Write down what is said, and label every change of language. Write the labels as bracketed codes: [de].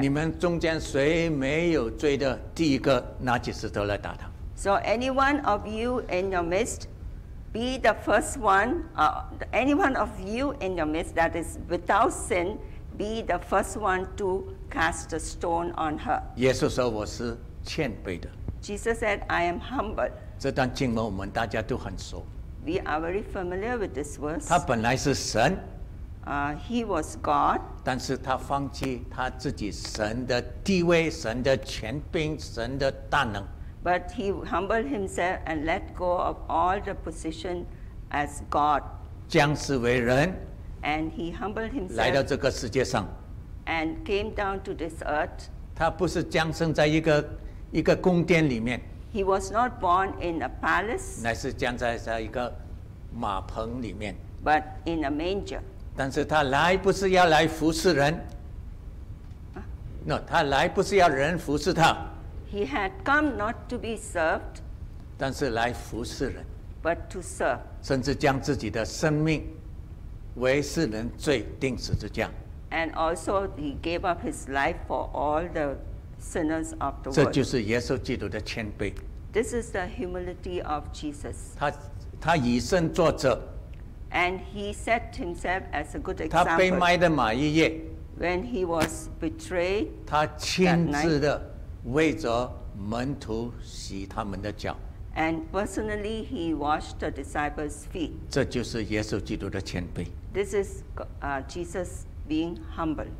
[zh] 你们中间谁没有罪的，第一个拿起石头来打他。 [en] So anyone of you in your midst, be the first one. Anyone of you in your midst that is without sin, be the first one to cast a stone on her. [zh] 耶稣说我是谦卑的。 [en] Jesus said, I am humble. [zh] 这段经文我们大家都很熟。 [en] We are very familiar with this verse. [zh] 他本来是神。 [en] He was God. [zh] 但是他放弃他自己神的地位、神的权柄、神的大能。 [en] But he humbled himself and let go of all the position as God. [zh] 降世为人。 [en] And he humbled himself. [zh] 来到这个世界上。 [en] And came down to this earth. [zh] 他不是降生在一个宫殿里面。 [en] He was not born in a palace. [zh] 乃是降在一个马棚里面。 [en] But in a manger. [zh] 但是他来不是要来服侍人 no, 他来不是要人服侍他 [en] He had come not to be served [zh] 但是来服侍人 [en] But to serve [zh] 甚至将自己的生命为世人罪钉十字架 [en] And also he gave up his life for all the sinners of the world [zh] 这就是耶稣基督的谦卑 [en] This is the humility of Jesus [zh] 他以身作则 [en] And he set himself as a good example. [zh] 他被卖的马一夜 [en] when he was betrayed, [zh] 他亲自的为着门徒洗他们的脚 [en] and personally he washed the disciples' feet. [zh] 这就是耶稣基督的谦卑 [en] This is Jesus being humble.